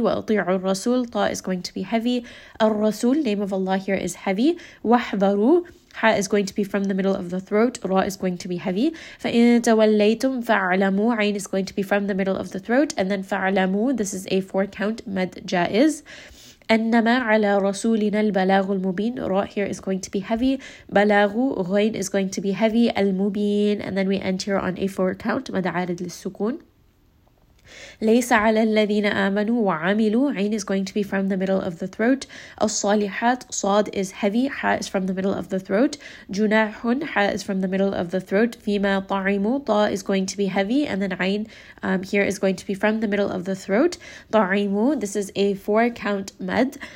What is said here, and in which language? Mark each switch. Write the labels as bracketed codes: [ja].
[ar] وَأَطِيعُ الرَّسُولَ. [en] طَاء is going to be heavy. [ar] الرَّسُولَ. [en] Name of Allah here is heavy. [ar] وَحْذَرُوا. [en] Ha is going to be from the middle of the throat. Ra is going to be heavy. [ar] فَإِن تَوَلَّيْتُمْ فَعْلَمُوا. [en] عَيْن is going to be from the middle of the throat. And then فَعْلَمُوا. This is a 4-count. مَدْ جَائِز. [ar] أنما على رسولنا البلاغ المبين. [en] Ra here is going to be heavy. بلاغ غين is going to be heavy. المبين. And then we end here on a 4-count. مد عارد للسكون. [ar] ليس على الذين آمنوا وعملوا. [en] عين is going to be from the middle of the throat. [ar] الصالحات. [en] صاد is heavy. حاء is from the middle of the throat. [ar] جناح. [en] حاء is from the middle of the throat. [ar] فيما طعموا. [en] طاء is going to be heavy. And then عين here is going to be from the middle of the throat. طعموا. This is a 4-count med.